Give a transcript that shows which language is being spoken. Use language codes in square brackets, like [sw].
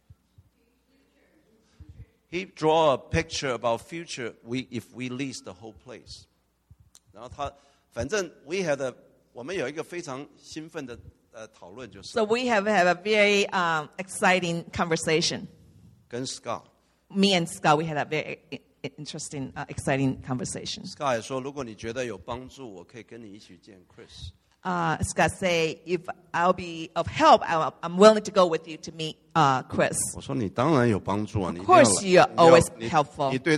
[zh] 他在讲到我们教会如果去租这个地方可以有什么样的远景。 [en] He draw a picture about future if we lease the whole place. [zh] 然后他反正 [en] we had a [zh] 我们有一个非常兴奋的讨论就是 [en] So we have had a very exciting conversation. [zh] 跟 Scott. [en] Me and Scott we had a very interesting, exciting conversation. [zh] Scott 也说, 如果你觉得有帮助, 我可以跟你一起见 Chris. [en] Scott say, if I'll be of help, I'm willing to go with you to meet Chris. [zh] 我说你当然有帮助啊, [en] of course, you're always helpful.